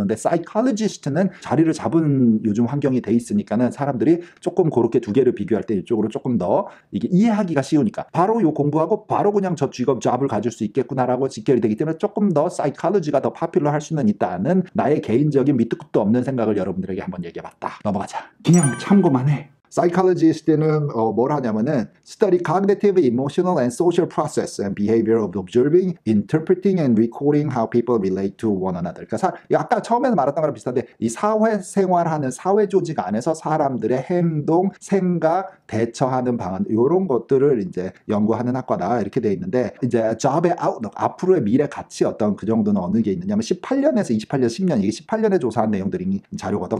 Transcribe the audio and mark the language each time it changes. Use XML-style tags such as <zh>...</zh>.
<ko>근데 사이콜로지스트는 자리를 잡은 요즘 환경이 돼 있으니까는 사람들이 조금 그렇게 두 개를 비교할 때 이쪽으로 조금 더 이게 이해하기가 쉬우니까 바로 요 공부하고 바로 그냥 저 직업 잡을 가질 수 있겠구나라고 직결이 되기 때문에 조금 더 사이콜로지가 더 파퓰러 할 수는 있다는 나의 개인적인 밑도 끝도 없는 생각을 여러분들에게 한번 얘기해 봤다. 넘어가자. 그냥 참고만 해.</ko> <en>Psychologist는</en> <ko>뭘 하냐면은</ko> <en>study cognitive, emotional, and social process and behavior of observing, interpreting, and recording how people relate to one another.</en> <ko>그러니까 아까 처음에 말했던 거랑 비슷한데 이 사회생활하는 사회조직 안에서 사람들의 행동, 생각, 대처하는 방안 이런 것들을 이제 연구하는 학과다 이렇게 돼 있는데 이제 job의 outlook, 앞으로의 미래 가치 어떤 그 정도는 어느 게 있느냐면 18년에서 28년, 10년 이게 18년에 조사한 내용들이 자료거든.</ko>